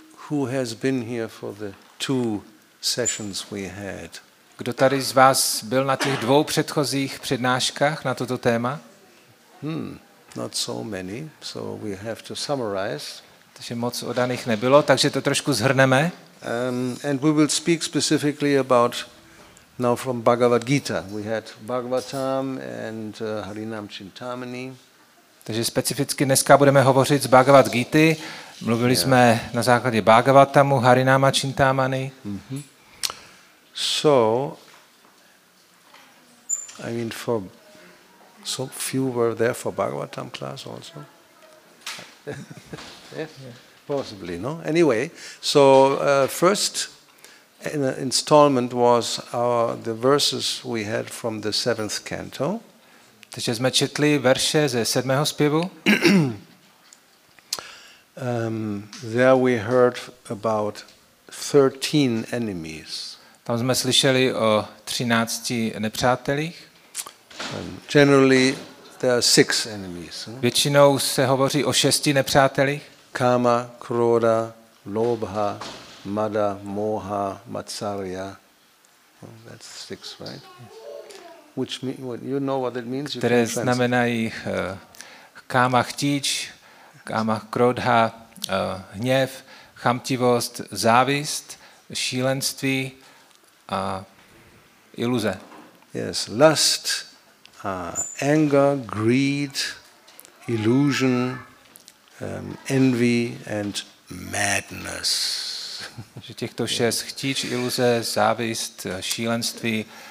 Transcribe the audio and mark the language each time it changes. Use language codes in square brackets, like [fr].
[en] Who has been here for the two sessions we had? [cs] Kdo tady z vás byl na těch dvou předchozích přednáškách na toto téma? [en] Not so many, so we have to summarize. [cs] Takže moc oddaných nebylo, takže to trošku zhrneme. [en] And we will speak specifically about now from Bhagavad Gita. We had Bhagavatam and Harinam Chintamani. [cs] Takže specificky dneska budeme hovořit z Bhagavad Gity. Mluvili jsme na základě Bhagavatamu, Harinama Chintamani. [en] So I mean for so few were there for Bhagavatam class also. Yeah, possibly, no? Anyway, so first installment was the verses we had from the seventh canto. [cs] Takže jsme četli verše ze sedmého zpěvu. [en] There we heard about 13 enemies. [cs] Tam jsme slyšeli o 13 nepřátelích. [en] Generally there are 6 enemies. [cs] Většinou se hovoří o 6 nepřátelích. [en] Kama, kroda, lobha, mada, moha, matsarya. That's 6, right? Which mean, you know what it means? [cs] Které znamenají káma chtíč, káma krodha, hněv, chamtivost, závist, šílenství a iluze. [en] Yes, lust, anger, greed, illusion, envy and madness. [cs] Že těchto 6 chtíč, iluze, závist, šílenství.